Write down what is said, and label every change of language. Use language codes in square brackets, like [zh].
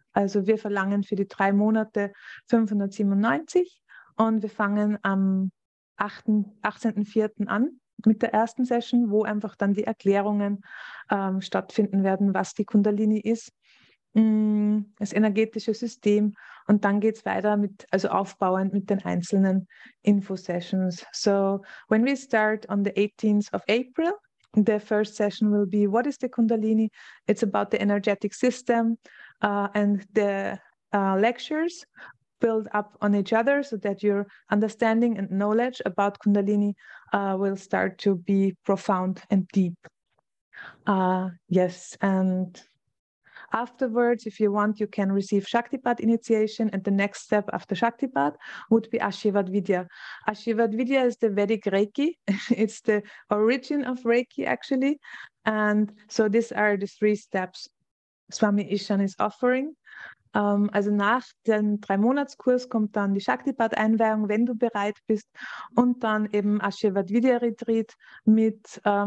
[de] Also wir verlangen für die 3 Monate 597 und wir fangen am 18.04. an mit der ersten Session, wo einfach dann die Erklärungen stattfinden werden, was die Kundalini ist, das energetische System. Und dann geht es weiter mit, also aufbauend mit den einzelnen Info-Sessions. [en] So when we start on the 18th of April, the first session will be, what is the Kundalini? It's about the energetic system. And the lectures build up on each other so that your understanding and knowledge about Kundalini will start to be profound and deep. Yes, and afterwards, if you want, you can receive Shaktipat initiation, and the next step after Shaktipat would be Ashirvad Vidya. Ashirvad Vidya is the Vedic Reiki. It's the origin of Reiki, actually. And so these are the 3 steps Swami Ishan is offering. [de] Also nach dem 3-Monats-Kurs kommt dann die Shaktipat-Einweihung, wenn du bereit bist, und dann eben Ashirvad Vidya Retreat mit